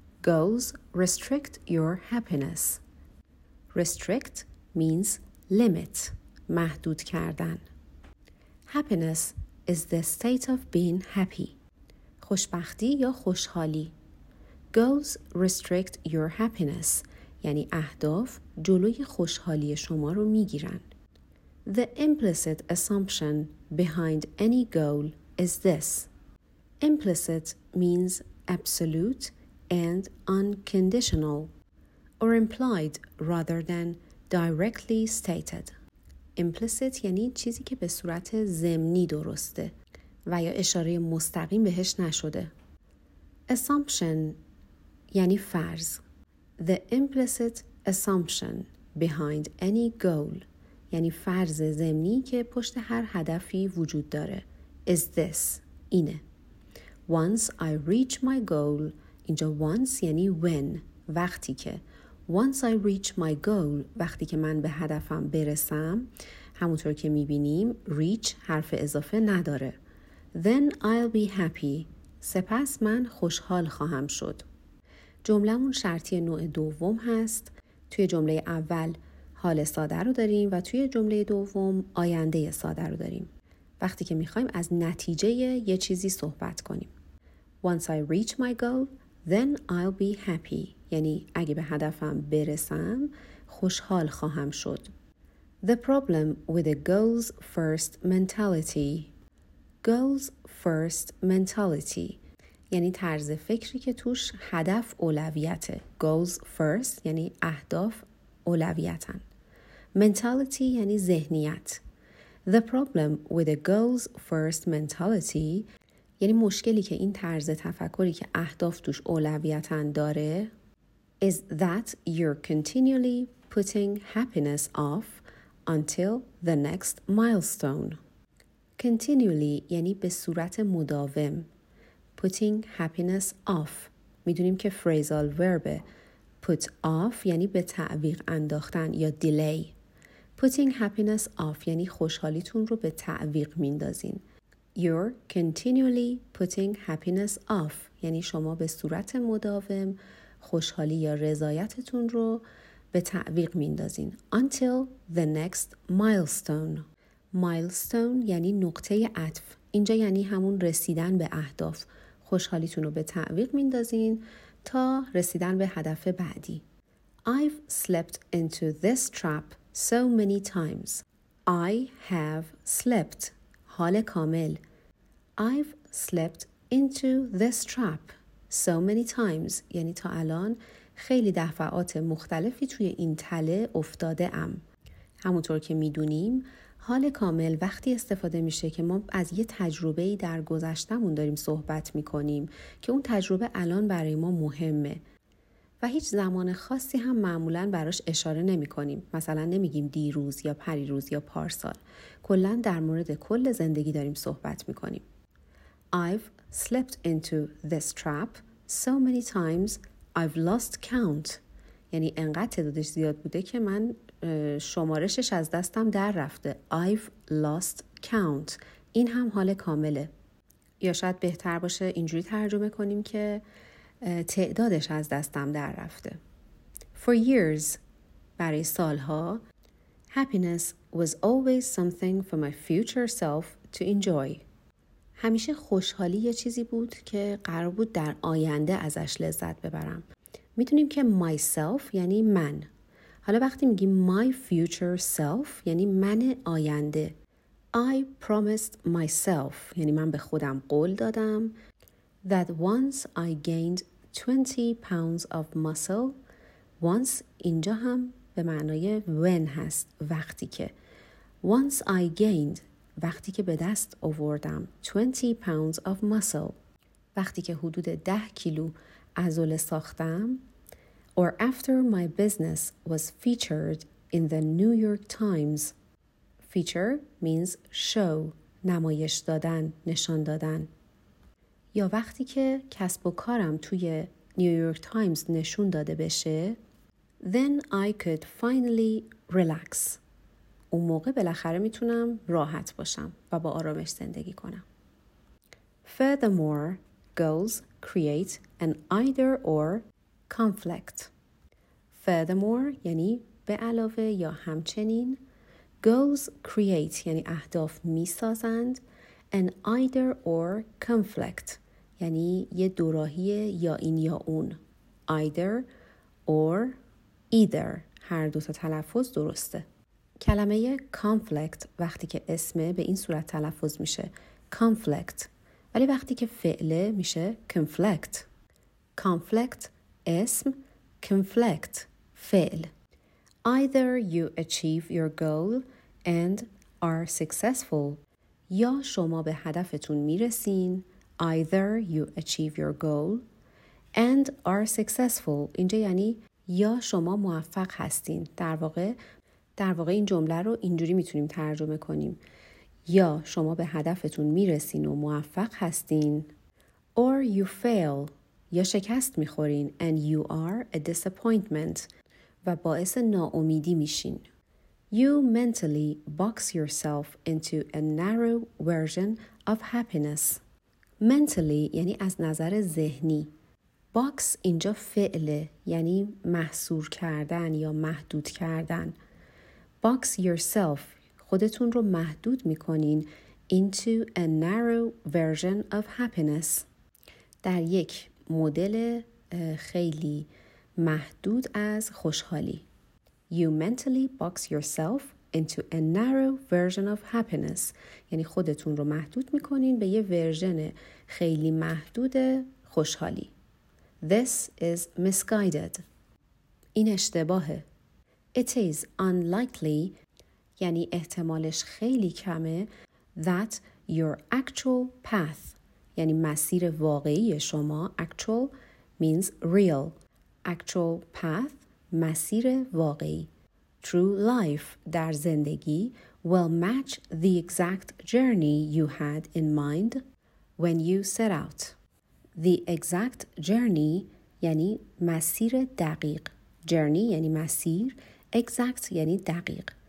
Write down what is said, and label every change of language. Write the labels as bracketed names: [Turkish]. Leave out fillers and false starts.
[English] Goals restrict your happiness. Restrict means limit, [Persian] محدود کردن. [English] Happiness is the state of being happy. [Persian] خوشبختی یا خوشحالی. [English] Goals restrict your happiness. [Persian] یعنی اهداف جلوی خوشحالی شما رو میگیرن. [English] The implicit assumption behind any goal is this. Implicit means absolute and unconditional, or implied rather than directly stated. [Persian] Implicit یعنی چیزی که به صورت ضمنی درسته و یا اشاره مستقیم بهش نشده. Assumption یعنی فرض. [English] The implicit assumption behind any goal [Persian] یعنی فرض ضمنی که پشت هر هدفی وجود داره. [English] Is this [Persian] اینه. [English] Once I reach my goal, [Persian] اینجا [English] once [Persian] یعنی [English] when، [Persian] وقتی که. [English] Once I reach my goal، [Persian] وقتی که من به هدفم برسم، همونطور که میبینیم، reach حرف اضافه نداره. [English] Then I'll be happy، [Persian] سپس من خوشحال خواهم شد. جمله‌مون شرطی نوع دوم هست. توی جمله اول حال ساده رو داریم و توی جمله دوم آینده ساده رو داریم. وقتی که میخوایم از نتیجه یه چیزی صحبت کنیم. [English] Once I reach my goal, then I'll be happy. [Persian] یعنی اگه به هدفم برسم، خوشحال خواهم شد. [English] The problem with a goals first mentality. Goals first mentality. [Persian] یعنی طرز فکری که توش هدف اولویته. [English] Goals first [Persian] یعنی اهداف اولویتن. Mentality یعنی ذهنیت. [English] The problem with a goals first mentality [Persian] یعنی مشکلی که این طرز تفکری که اهداف توش اولویتن داره [English] is that you're continually putting happiness off until the next milestone. [Persian] Continually یعنی به صورت مداوم. [English] Putting happiness off. [Persian] میدونیم که [English] phrasal verb put off [Persian] یعنی به تعویق انداختن یا delay. [English] Putting happiness off [Persian] یعنی خوشحالیتون رو به تعویق میندازین. [English] You're continually putting happiness off [Persian] یعنی شما به صورت مداوم خوشحالی یا رضایتتون رو به تعویق میندازین. [English] Until the next milestone. [Persian] Milestone یعنی نقطه عطف. اینجا یعنی همون رسیدن به اهداف. خوشحالیتون رو به تعویق میندازین تا رسیدن به هدف بعدی. [English] I've slipped into this trap so many times. I have slipped. [Persian] حال کامل. [English] I've slipped into this trap so many times. [Persian] یعنی تا الان خیلی دفعات مختلفی توی این تله افتاده ام. همونطور که میدونیم حال کامل وقتی استفاده میشه که ما از یه تجربه‌ای در گذشتمون داریم صحبت میکنیم که اون تجربه الان برای ما مهمه و هیچ زمان خاصی هم معمولاً براش اشاره نمیکنیم. مثلا نمیگیم دیروز یا پریروز یا پارسال. کلاً در مورد کل زندگی داریم صحبت میکنیم. [English] I've slipped into this trap so many times I've lost count. [Persian] یعنی انقدر تعدادش زیاد بوده که من شمارشش از دستم در رفته. [English] I've lost count. [Persian] این هم حال کامله. یا شاید بهتر باشه اینجوری ترجمه کنیم که تعدادش از دستم در رفته. [English] For years, [Persian] برای سالها, [English] happiness was always something for my future self to enjoy. [Persian] همیشه خوشحالی یه چیزی بود که قرار بود در آینده ازش لذت ببرم. میتونیم که myself یعنی من. حالا وقتی میگیم [English] my future self [Persian] یعنی من آینده. [English] I promised myself [Persian] یعنی من به خودم قول دادم [English] that once I gained 20 pounds of muscle. [Persian] Once اینجا هم به معنای when هست، وقتی که. [English] Once I gained، [Persian] وقتی که به دست آوردم. [English] 20 pounds of muscle، [Persian] وقتی که حدود 10 کیلو عضل ساختم. [English] Or after my business was featured in the New York Times. Feature means show, [Persian] نمایش دادن، نشان دادن. یا وقتی که کسب و کارم توی نیویورک تایمز نشون داده بشه. [English] Then I could finally relax. [Persian] اون موقع بالاخره میتونم راحت باشم و با آرامش زندگی کنم. Furthermore, [English] goals create an either or conflict. [Persian] Furthermore, یعنی به علاوه یا همچنین, [English] goals create, [Persian] یعنی اهداف می سازند, [English] an either or conflict, [Persian] یعنی یه دوراهی یا این یا اون. [English] Either or either, [Persian] هر دوتا تلفظ درسته. کلمه conflict وقتی که اسمه به این صورت تلفظ میشه conflict, ولی وقتی که فعله میشه conflict. Conflict, اسم, conflict, فعل. [English] Either you achieve your goal and are successful, [Persian] یا شما به هدفتون میرسین. [English] Either you achieve your goal and are successful, [Persian] اینجا یعنی یا شما موفق هستین. در واقع این جمله رو اینجوری میتونیم ترجمه کنیم, یا شما به هدفتون میرسین و موفق هستین. [English] Or you fail, [Persian] یا شکست میخورین. [English] And you are a disappointment, [Persian] و باعث ناامیدی میشین. [English] You mentally box yourself into a narrow version of happiness. [Persian] Mentally یعنی از نظر ذهنی. Box اینجا فعله, یعنی محصور کردن یا محدود کردن. [English] Box yourself, [Persian] خودتون رو محدود میکنین [English] into a narrow version of happiness. [Persian] در یک مدل خیلی محدود از خوشحالی. [English] You mentally box yourself into a narrow version of happiness. [Persian] یعنی خودتون رو محدود میکنین به یه ورژن خیلی محدود خوشحالی. [English] This is misguided. [Persian] این اشتباهه. [English] It is unlikely, [Persian] یعنی احتمالش خیلی کمه, [English] that your actual path, [Persian] یعنی مسیر واقعی شما, [English] actual means real. Actual path, [Persian] مسیر واقعی. [English] True life, [Persian] در زندگی, [English] will match the exact journey you had in mind when you set out. The exact journey, [Persian] یعنی مسیر دقیق. Journey, یعنی مسیر. Exact, یعنی دقیق.